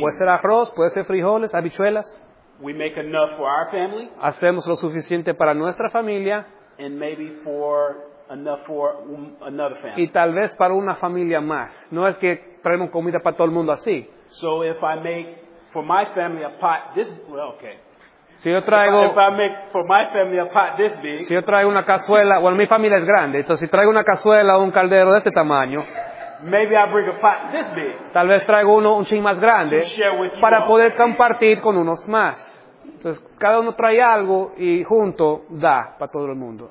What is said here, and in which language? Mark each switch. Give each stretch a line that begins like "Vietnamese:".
Spanish: Puede ser arroz, puede ser frijoles, habichuelas.
English: We make enough for our family.
Spanish: Hacemos lo suficiente para nuestra familia.
English: And maybe for enough for another family.
Spanish: Y tal vez para una familia más. No es que traemos comida para todo el mundo así.
English: So if I make for my family a pot, this well, okay.
Spanish: Si yo traigo,
English: if I make for my family a pot this big,
Spanish: si yo traigo una cazuela, bueno, mi familia es grande, entonces si traigo una cazuela o un caldero de este tamaño,
English: maybe I bring a pot this big,
Spanish: tal vez traigo uno un ching más grande para poder compartir con unos más. Entonces, cada uno trae algo y junto da para todo el mundo.